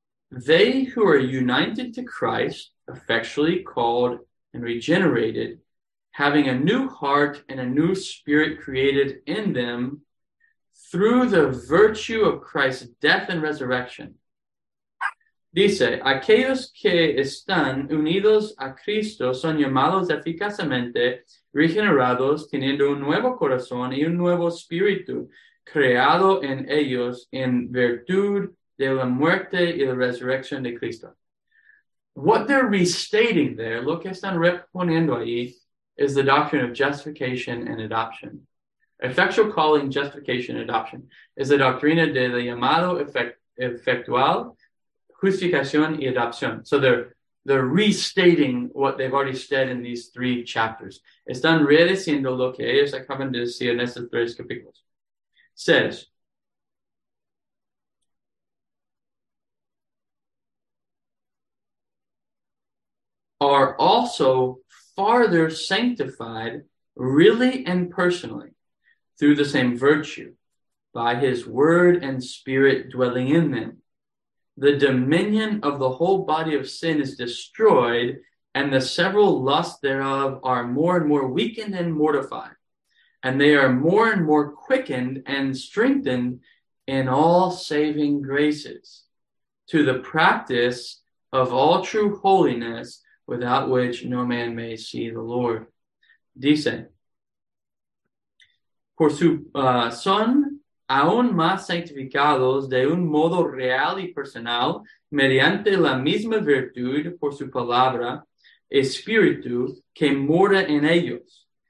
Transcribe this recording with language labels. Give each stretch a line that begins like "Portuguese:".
English: They who are united to Christ, effectually called and regenerated, having a new heart and a new spirit created in them, through the virtue of Christ's death and resurrection.
Spanish: Dice, aquellos que están unidos a Cristo son llamados eficazmente regenerados, teniendo un nuevo corazón y un nuevo espíritu creado en ellos en virtud de la muerte y la resurrección de Cristo.
English: What they're restating there,
Spanish: lo que están reponiendo ahí,
English: is the doctrine of justification and adoption. Effectual calling, justification, and adoption is the
Spanish: doctrina de la llamado efectual, justificación y adopción.
English: So they're restating what they've already said in these three chapters.
Spanish: Están rediciendo lo que ellos acaban de decir en estos tres capítulos.
English: Says, are also farther sanctified really and personally through the same virtue, by his word and spirit dwelling in them. The dominion of the whole body of sin is destroyed, and the several lusts thereof are more and more weakened and mortified, and they are more and more quickened and strengthened in all saving graces, to the practice of all true holiness, without which no man may see the Lord.
Spanish: Dice, por su son aún más sanctificados de un modo real y personal mediante la misma virtud por su palabra, espíritu que mora en ellos.